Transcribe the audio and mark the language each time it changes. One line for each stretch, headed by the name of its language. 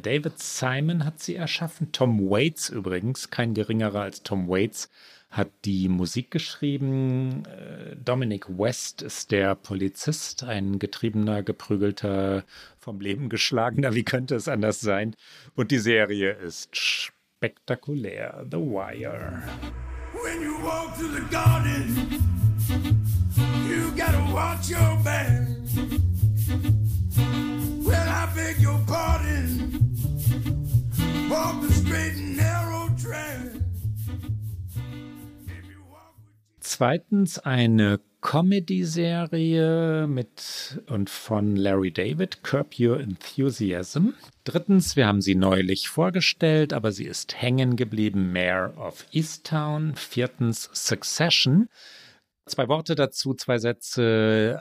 German: David Simon hat sie erschaffen. Tom Waits übrigens, kein geringerer als Tom Waits, hat die Musik geschrieben. Dominic West ist der Polizist, ein getriebener, geprügelter, vom Leben geschlagener. Wie könnte es anders sein? Und die Serie ist spektakulär.
English: The Wire. When you walk through the garden, you gotta watch your back. Well, I beg your pardon. Walk the straight and narrow track.
German: Zweitens eine Comedy-Serie mit und von Larry David, Curb Your Enthusiasm. Drittens, wir haben sie neulich vorgestellt, aber sie ist hängen geblieben, Mayor of Easttown. Viertens, Succession. Zwei Worte dazu, zwei Sätze.